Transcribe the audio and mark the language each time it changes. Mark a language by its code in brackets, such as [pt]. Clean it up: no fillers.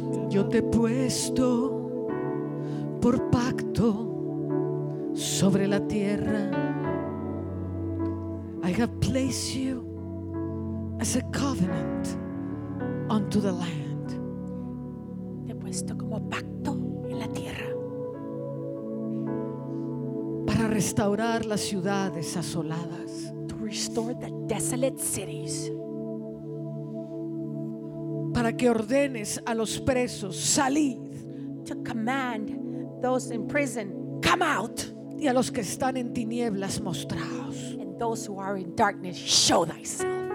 [es] Yo te he puesto por pacto sobre la tierra. [en] I have placed you as a covenant unto the land. [es] Te he puesto como pacto en la tierra. Para restaurar las ciudades asoladas. [en] To restore the desolate cities. [es] Para que ordenes a los presos, salid. [en] To command those in prison, come out. [es] Y a los que están en tinieblas, mostraos. [en] And those who are in darkness, show thyself.